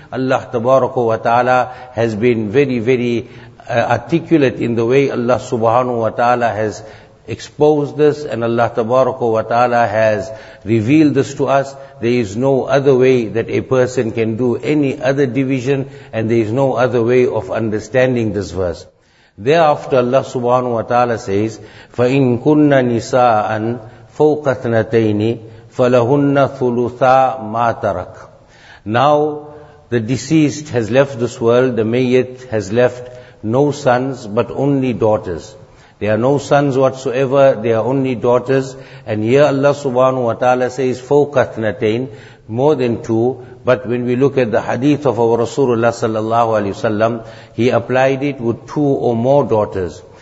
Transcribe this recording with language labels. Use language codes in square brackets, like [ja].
[en] Allah tabaraka wa ta'ala has been very, very articulate in the way Allah subhanahu wa ta'ala has exposed this, and Allah tabaraka wa ta'ala has revealed this to us. There is no other way that a person can do any other division, and there is no other way of understanding this verse. Thereafter Allah subhanahu wa ta'ala says, [ar] فَإِن كُنَّ نِسَاءً فَوْقَ اثْنَتَيْنِ فَلَهُنَّ ثُلُثَا مَا تَرَكْ. [en] Now the deceased has left this world, the mayyit has left no sons, but only daughters. There are no sons whatsoever, there are only daughters. And here Allah subhanahu wa ta'ala says, [ar] فَوْقَ اثْنَتَيْنِ, [en] more than two. But when we look at the hadith of our Rasulullah sallallahu alayhi wasallam, he applied it with two or more daughters.